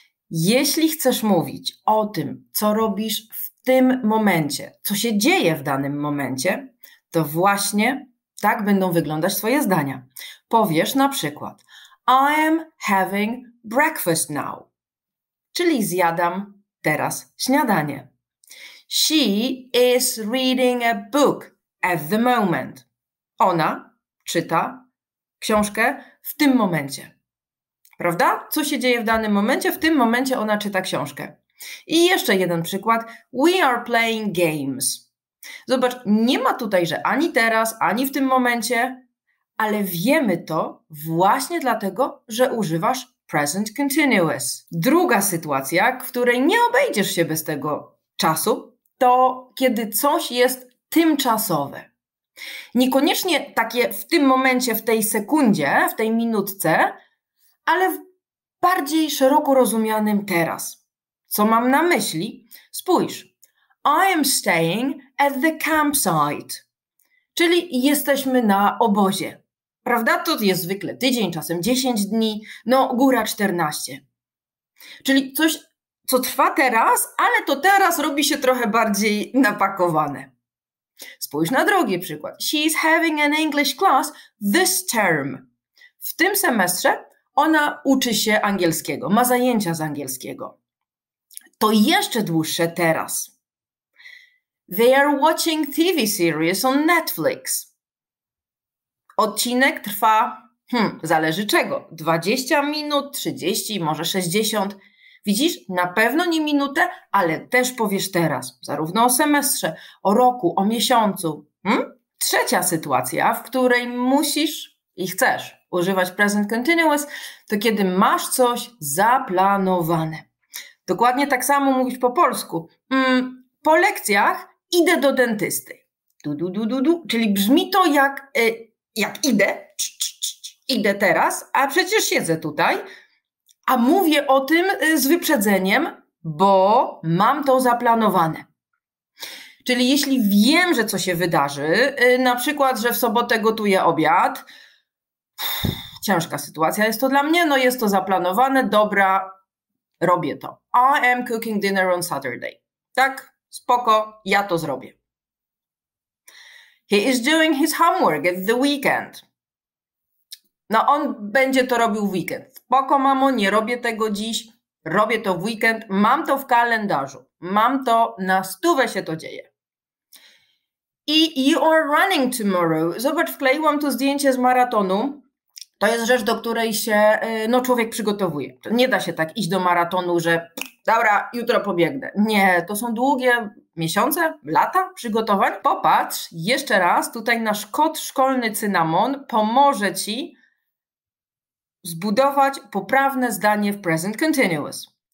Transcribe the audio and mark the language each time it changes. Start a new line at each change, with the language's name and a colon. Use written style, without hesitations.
Polish: Jeśli chcesz mówić o tym, co robisz w tym momencie, co się dzieje w danym momencie, to właśnie tak będą wyglądać Twoje zdania. Powiesz na przykład,
English: I am having breakfast now,
Polish: czyli zjadam teraz śniadanie.
English: She is reading a book at the moment.
Polish: Ona czyta książkę w tym momencie. Prawda? Co się dzieje w danym momencie? W tym momencie ona czyta książkę. I jeszcze jeden przykład,
English: we are playing games.
Polish: Zobacz, nie ma tutaj, że ani teraz, ani w tym momencie, ale wiemy to właśnie dlatego, że używasz present continuous. Druga sytuacja, w której nie obejdziesz się bez tego czasu, to kiedy coś jest tymczasowe. Niekoniecznie takie w tym momencie, w tej sekundzie, w tej minutce, ale w bardziej szeroko rozumianym teraz. Co mam na myśli? Spójrz.
English: I am staying at the campsite,
Polish: czyli jesteśmy na obozie, prawda? To jest zwykle tydzień, czasem 10 dni, no góra 14. Czyli coś, co trwa teraz, ale to teraz robi się trochę bardziej napakowane. Spójrz na drugi przykład.
English: She is having an English class this term.
Polish: W tym semestrze ona uczy się angielskiego, ma zajęcia z angielskiego. To jeszcze dłuższe teraz.
English: They are watching TV series on Netflix.
Polish: Odcinek trwa, zależy czego, 20 minut, 30, może 60. Widzisz, na pewno nie minutę, ale też powiesz teraz, zarówno o semestrze, o roku, o miesiącu. Trzecia sytuacja, w której musisz i chcesz używać present continuous, to kiedy masz coś zaplanowane. Dokładnie tak samo mówisz po polsku. Po lekcjach idę do dentysty. Du, du, du, du, du. Czyli brzmi to jak idę. Idę teraz, a przecież siedzę tutaj. A mówię o tym z wyprzedzeniem, bo mam to zaplanowane. Czyli jeśli wiem, że co się wydarzy, na przykład, że w sobotę gotuję obiad. Ciężka sytuacja jest to dla mnie. No jest to zaplanowane, dobra, robię to.
English: I am cooking dinner on Saturday.
Polish: Tak? Spoko, ja to zrobię.
English: He is doing his homework at the weekend.
Polish: No on będzie to robił w weekend. Spoko, mamo, nie robię tego dziś, robię to w weekend. Mam to w kalendarzu, mam to, na stówę się to dzieje.
English: I you are running tomorrow.
Polish: Zobacz, wkleiłam tu zdjęcie z maratonu. To jest rzecz, do której się no, człowiek przygotowuje. Nie da się tak iść do maratonu, że dobra, jutro pobiegnę. Nie, to są długie miesiące, lata przygotowań. Popatrz jeszcze raz, tutaj nasz kod szkolny Cynamon pomoże Ci zbudować poprawne zdanie w present continuous.